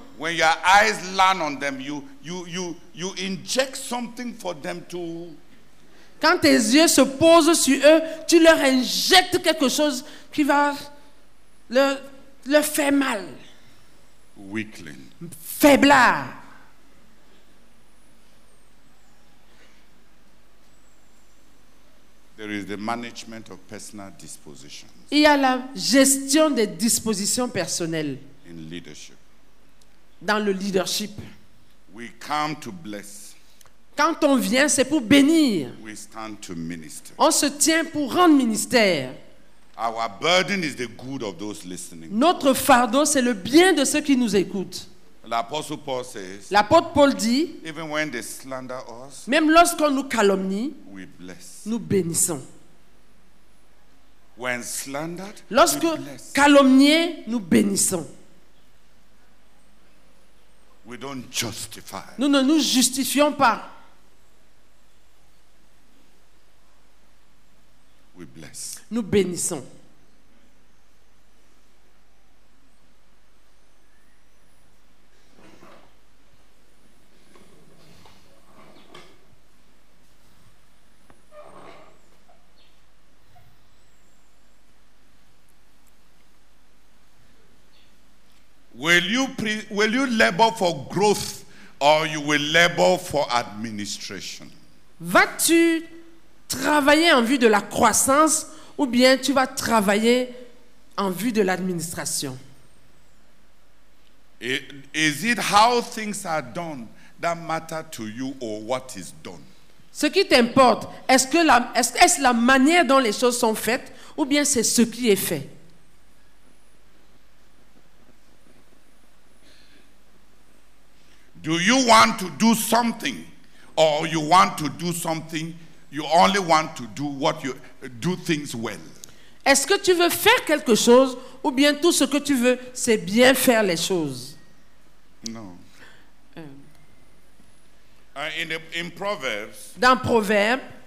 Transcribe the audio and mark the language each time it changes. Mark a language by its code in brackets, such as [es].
[en] when your eyes land on them, you inject something for them to. [fr] Quand tes yeux se posent sur eux, tu leur injectes quelque chose qui va leur faire mal. [en] Weakling. [fr] Faiblard. [en] There is the management of personal dispositions. [fr] Il y a la gestion des dispositions personnelles. [en] In leadership. [fr] Dans le leadership. [en] We come to bless. [fr] Quand on vient, c'est pour bénir. [en] We stand to minister. [fr] On se tient pour rendre ministère. [en] Our burden is the good of those listening. [fr] Notre fardeau, c'est le bien de ceux qui nous écoutent. L'apôtre [en] Paul says, [fr] l'apôtre Paul dit, [en] even when they slander us, [fr] même lorsqu'on nous calomnie, [en] we bless. [fr] Nous bénissons. [en] When slandered, [fr] lorsque [en] we bless. [fr] Calomnié, nous bénissons. [en] We don't justify. [fr] Nous ne nous justifions pas. [en] We bless. [fr] Nous bénissons. [en] Will you labor for growth or you will labor for administration? [fr] Vas-tu travailler en vue de la croissance ou bien tu vas travailler en vue de l'administration? [en] Is it how things are done that matter to you or what is done? [fr] Ce qui t'importe, est-ce la manière dont les choses sont faites ou bien c'est ce qui est fait? [en] Do you want to do something or you want to do something you only want to do what you do things well? [fr] Est-ce que tu veux faire quelque chose ou bien tout ce que tu veux c'est bien faire les choses? [en] No. In Proverbs. [fr] Dans Proverbe.